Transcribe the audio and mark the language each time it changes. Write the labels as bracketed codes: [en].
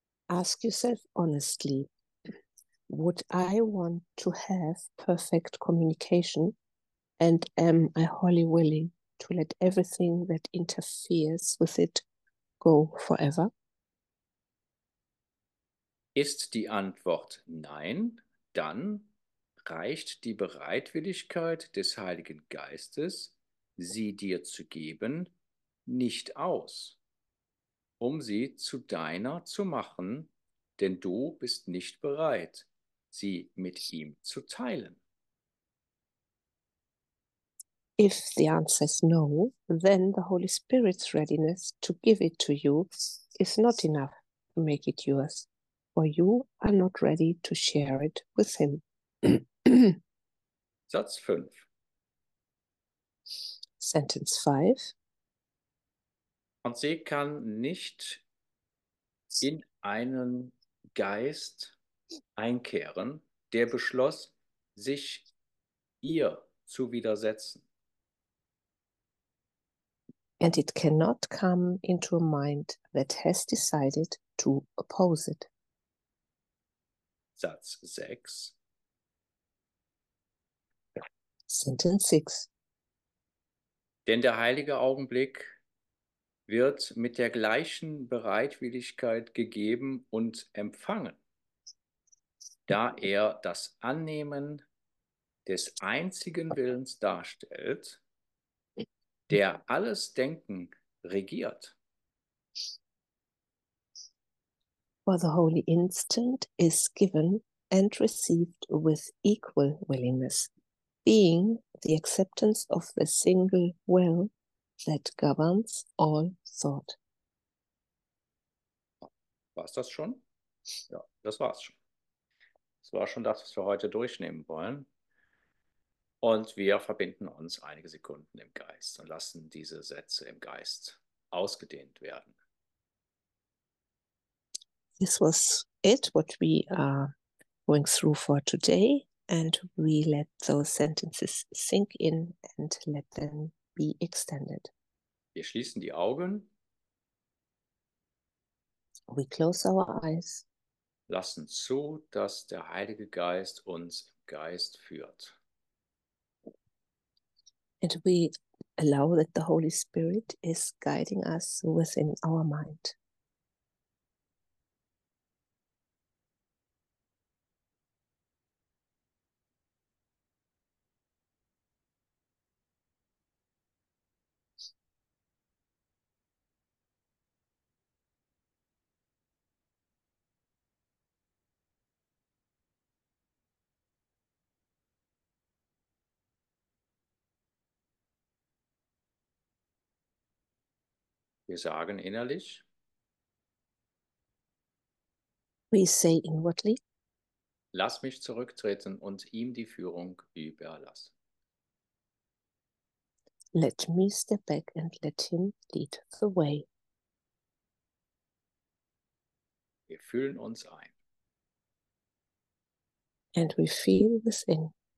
[en] Ask yourself honestly, would I want to have perfect communication and am I wholly willing to let everything that interferes with it go forever? [de] Ist die Antwort nein, dann reicht die Bereitwilligkeit des Heiligen Geistes, sie dir zu geben, nicht aus, um sie zu deiner zu machen, denn du bist nicht bereit, sie mit ihm zu teilen. [en] If the answer is no, then the Holy Spirit's readiness to give it to you is not enough to make it yours, for you are not ready to share it with him. [de] Satz 5. [en] Sentence 5. [de] Und sie kann nicht in einen Geist einkehren, der beschloss, sich ihr zu widersetzen. [en] And it cannot come into a mind that has decided to oppose it. [de] Satz 6. [en] Sentence 6. [de] Denn der heilige Augenblick wird mit der gleichen Bereitwilligkeit gegeben und empfangen, da er das Annehmen des einzigen Willens darstellt, der alles Denken regiert. [en] For the holy instant is given and received with equal willingness, being the acceptance of the single will that governs all thought. [de] War's das schon? Ja, das war's schon. Das war schon das, was wir heute durchnehmen wollen. Und wir verbinden uns einige Sekunden im Geist und lassen diese Sätze im Geist ausgedehnt werden. [en] This was it, what we are going through for today. And we let those sentences sink in and let them be extended. [de] Wir schließen die Augen. [en] We close our eyes. [de] Lassen zu, dass der Heilige Geist uns im Geist führt. [en] And we allow that the Holy Spirit is guiding us within our mind. [de] Wir sagen innerlich. [en] We say inwardly. [de] Lass mich zurücktreten und ihm die Führung überlassen. [en] Let me step back and let him lead the way. [de] Wir fühlen uns ein. [en] And we feel within.